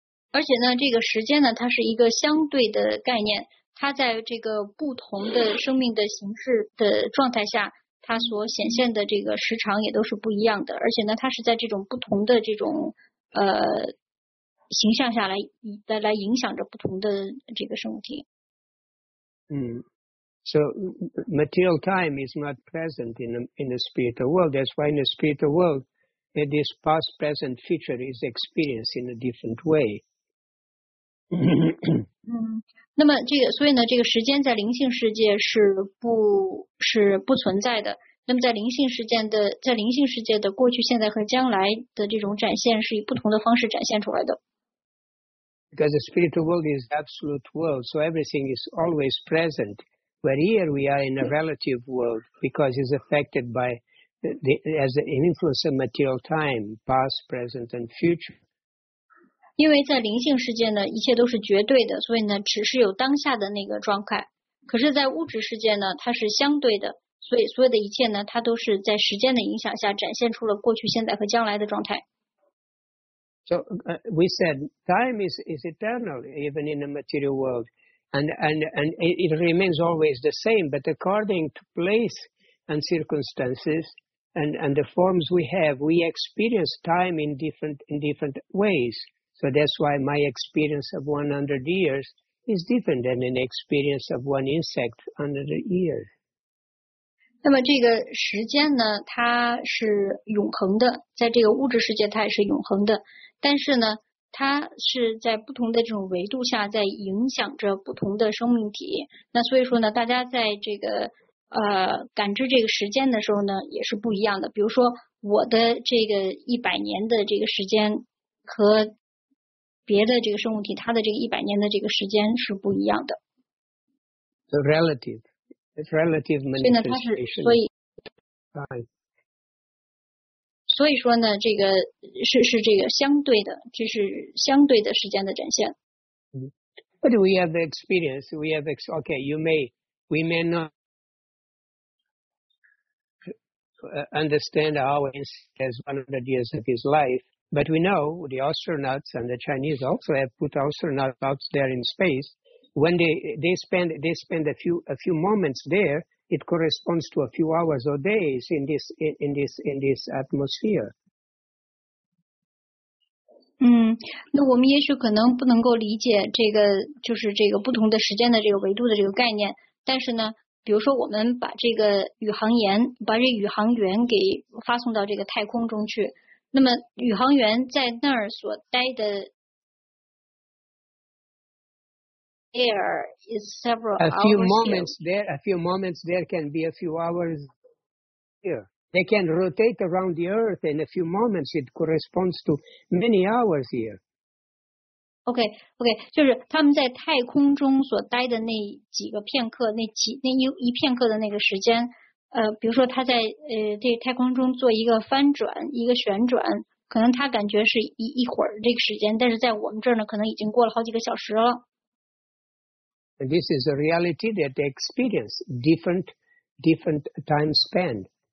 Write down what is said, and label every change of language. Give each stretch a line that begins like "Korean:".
Chinese: 而且呢，这个时间呢，它是一个相对的概念，它在这个不同的生命的形式的状态下，它所显现的这个时长也都是不一样的。而且呢，它是在这种不同的这种形象下来影响着不同的这个生物体。
English: So material time is not present in the spiritual world. That's why in the spiritual world, this past, present, future is experienced in a different way.
Chinese: 那么这个，所以呢，这个时间在灵性世界是不存在的。那么在灵性世界的过去、现在和将来的这种展现是以不同的方式展现出来的。
English: Because the spiritual world is absolute world, so everything is always present. But here we are in a relative world because it's affected by an influence of material time, past, present, and future.
Chinese: 因为在灵性世界呢一切都是绝对的，所以呢只是有当下的那个状态，可是在物质世界呢它是相对的，所以所有的一切呢它都是在时间的影响下展现出了过去、现在和将来的状态。
English: So we said time is eternal even in the material world and it remains always the same, but according to place and circumstances and the forms we have, we experience time in different ways. So that's why my experience of 100 years is different than an experience of one insect 100 years.
Chinese: 那么这个时间呢它是永恒的，在这个物质世界它也是永恒的。但是呢它是在不同的这种维度下在影响着不同的生命体。那所以说呢，大家在这个感知这个时间的时候呢也是不一样的。比如说我的这个100年的这个时间和别的这个生物体它的这个100年的这个时间是不一样的。
English: The relative, it's relative manifestation.
Chinese: 所以说呢，这个是这个相对的，这、就是相对的时间的展现。
English: But we have the experience. We have okay. We may not understand our ancestors 100 years of his life, but we know the astronauts and the Chinese also have put astronauts out there in space. When they spend a few moments there, it corresponds to a few hours or days in this atmosphere.
Chinese: 那我们也许可能不能够理解这个就是这个不同的时间的这个维度的这个概念。但是呢，比如说我们把这个宇航员给发送到这个太空中去，那么宇航员在那儿所待的。
English: Air is several hours. A few moments there can be a few hours here. They can rotate around the Earth in a few moments. It corresponds to many hours here. Okay.
Chinese: 就是他们在太空中所待的那几个片刻，那一片刻的那个时间，比如说他在这太空中做一个翻转，一个旋转，可能他感觉是一会儿这个时间，但是在我们这儿呢，可能已经过了好几个小时了。
English: And this is a reality that they experience different time span.